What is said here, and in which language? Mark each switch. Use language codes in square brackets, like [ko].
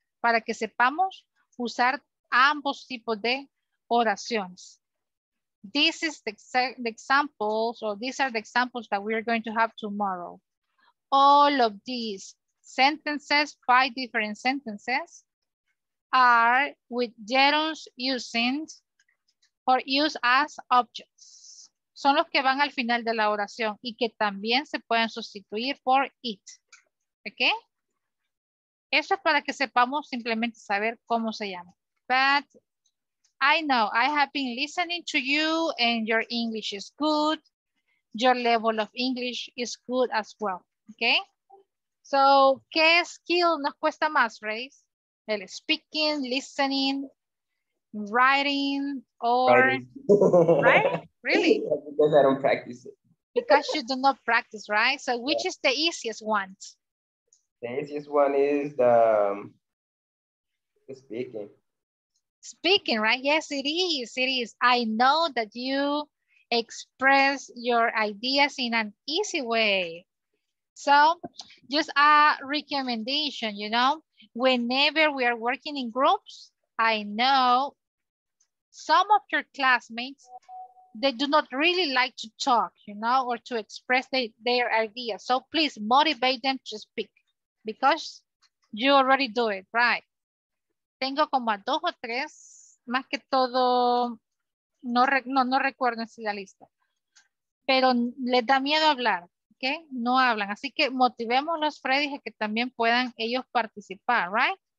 [es] Para que sepamos usar ambos tipos de oraciones. [en] This is the examples, or these are the examples that we are going to have tomorrow. All of these sentences, five different sentences, are with gerunds using or used as objects. [es] Son los que van al final de la oración y que también se pueden sustituir por it. Okay? Eso es para que sepamos simplemente saber cómo se llama. [en] But I know I have been listening to you and your English is good. Your level of English is good as well. Okay? So, [es] ¿qué skill nos cuesta más, Reyes? [en] El speaking, listening, writing, or... Writing. Right? Really? Because I don't practice it. Because you do not practice, right? So, which is the easiest one? The easiest one is the speaking. Speaking, right? Yes, it is. It is. I know that you express your ideas in an easy way. So just a recommendation, you know, whenever we are working in groups, I know some of your classmates, they do not really like to talk, you know, or to express their ideas. So please motivate them to speak because you already do it, right? [es] Tengo como a dos o tres, más que todo, no recuerdo si la lista. Pero les da miedo hablar, ¿ok? No hablan. Así que motivemos a los Freddy a que también puedan ellos participar, [en] right?